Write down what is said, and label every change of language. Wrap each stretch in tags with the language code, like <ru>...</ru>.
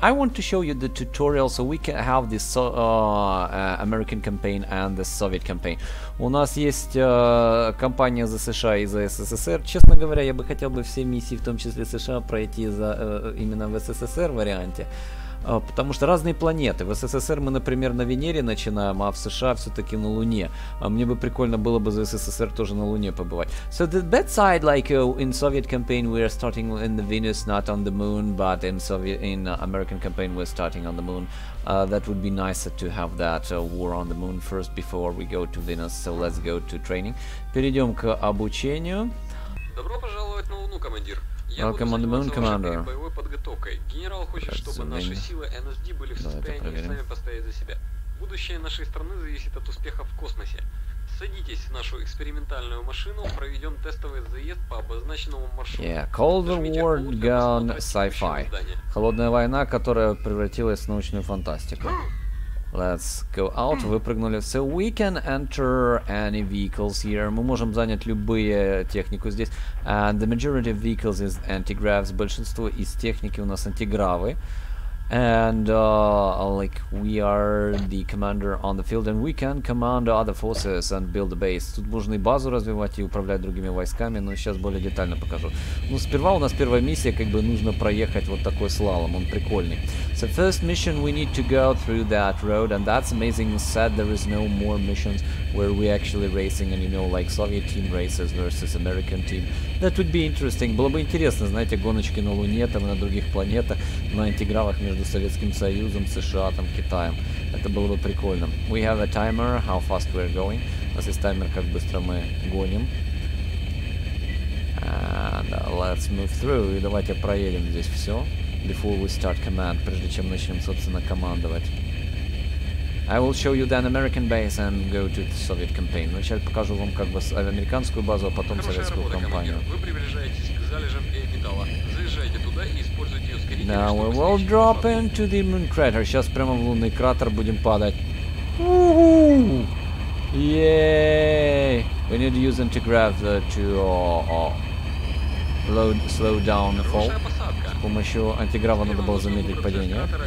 <en>I want to show you the tutorial so we can have the American campaign and the Soviet campaign.</en> <ru>У нас есть кампания за США и за СССР. Честно говоря, я бы хотел бы все миссии, в том числе США, пройти за именно в СССР варианте. Потому что разные планеты. В СССР мы, например, на Венере начинаем, а в США все-таки на Луне. Мне бы прикольно было бы за СССР тоже на Луне побывать.</ru> <en>So the bad side, like in Soviet campaign, we are starting in the Venus, not on the Moon, but in Soviet, in American campaign, we're starting on the Moon. That would be nicer to have that war on the Moon first before we go to Venus. So let's go to training.</en> <ru>Перейдем к обучению. Добро пожаловать на Луну, командир. Я</ru> <en>Welcome</en> <ru>буду заниматься вашей первой боевой подготовкой. Генерал хочет, чтобы наши силы NSD были в состоянии сами постоять за себя. Будущее нашей страны зависит от успеха в космосе. Садитесь в нашу экспериментальную машину, проведем тестовый заезд по обозначенному маршруту.</ru> <en>Yeah, Cold War Gone Sci-Fi.</en> <ru>Холодная война, которая превратилась в научную фантастику.</ru> <en>Let's go out.</en> <ru>Выпрыгнули.</ru> <en>So we can enter any vehicles here.</en> <ru>Мы можем занять любые технику здесь.</ru> <en>And the majority of vehicles is antigravs.</en> <ru>Большинство из техники у нас антигравы.</ru> <en>And like we are the commander on the field, and we can command other forces and build a base.</en> <ru>Тут можно и базу развивать и управлять другими войсками, но сейчас более детально покажу. Ну, сперва у нас первая миссия, как бы нужно проехать вот такой слалом, он прикольный.</ru> <en>So first mission, we need to go through that road, and that's amazing. Sad there is no more missions where we actually racing, and you know, like Soviet team races versus American team. That would be interesting.</en> <ru>Было бы интересно, знаете, гоночки на Луне, там на других планетах, на антигравах. Между Советским Союзом, США, там, Китаем. Это было бы прикольно.</ru> <en>We have a timer, how fast we're going.</en> <ru>У нас есть таймер, как быстро мы гоним.</ru> <en>And let's move through.</en> <ru>И давайте проедем здесь все.</ru> <en>Before we start command,</en> <ru>прежде чем начнем, собственно, командовать.</ru> <en>I will show you then American base and go to the Soviet campaign.</en> <ru>Вначале покажу вам как бы американскую базу, а потом Хорошая советскую работа, компанию. Командир. Вы приближаетесь к залежам гейм-металла. Заезжайте туда и используйте.</ru> <en>Now we will drop into the moon crater.</en> <ru>Сейчас прямо в лунный кратер будем падать. Woohoo! Yay!</ru> <en>We need to use anti-grav to slow down the fall.</en> <ru>С помощью антиграва надо было замедлить падение.</ru>